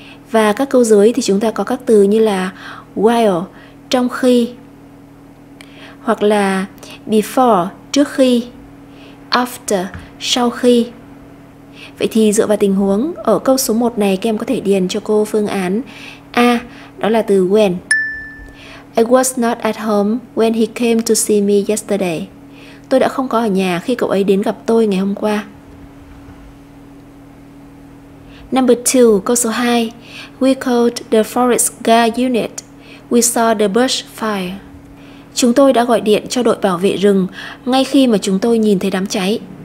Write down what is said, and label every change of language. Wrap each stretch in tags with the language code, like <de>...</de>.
<vi>Và các câu dưới thì chúng ta có các từ như là while, trong khi, hoặc là before, trước khi, after, sau khi. Vậy thì dựa vào tình huống, ở câu số 1 này các em có thể điền cho cô phương án A, đó là từ when.</vi> <en>I was not at home when he came to see me yesterday.</en> <vi>Tôi đã không có ở nhà khi cậu ấy đến gặp tôi ngày hôm qua.</vi> <en>Number 2,</en> <vi>câu số 2.</vi> <en>We called the forest guard unit. We saw the brush fire.</en> <vi>Chúng tôi đã gọi điện cho đội bảo vệ rừng ngay khi mà chúng tôi nhìn thấy đám cháy.</vi>